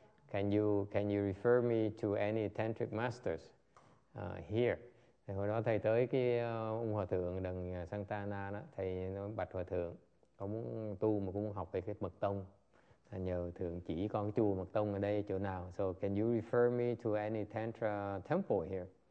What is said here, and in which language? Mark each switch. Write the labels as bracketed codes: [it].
[en] Can you refer me to any tantric masters here?" [vi] Thì hồi đó thầy tới cái ông hòa thượng đằng Santa Ana đó, thầy nói bạch hòa thượng, con muốn tu mà cũng muốn học về cái mật tông, nhờ thượng chỉ con cái chùa mật tông ở đây chỗ nào. [en] So can you refer me to any tantra temple here?